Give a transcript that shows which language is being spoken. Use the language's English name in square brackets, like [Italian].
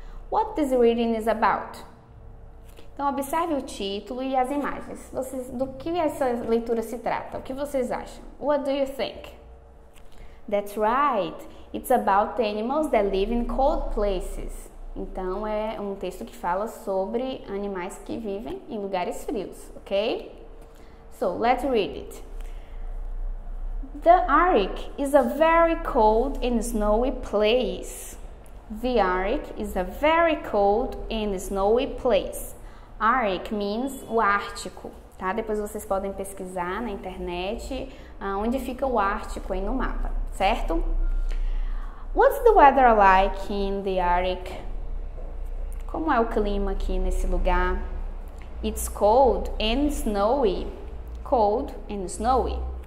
[English] What this reading is about? [Portuguese] Então, observe o título e as imagens. Do que essa leitura se trata? O que vocês acham? [English] What do you think? That's right. It's about animals that live in cold places. [Portuguese] Então, é um texto que fala sobre animais que vivem em lugares frios, ok? [English] So, let's read it. The Arctic is a very cold and snowy place. The Arctic is a very cold and snowy place. [Portuguese] Arctic means o Ártico, tá? Depois vocês podem pesquisar na internet onde fica o Ártico aí no mapa, certo? [English] What's the weather like in the Arctic? [Portuguese] Como é o clima aqui nesse lugar? [English] It's cold and snowy. Cold and snowy.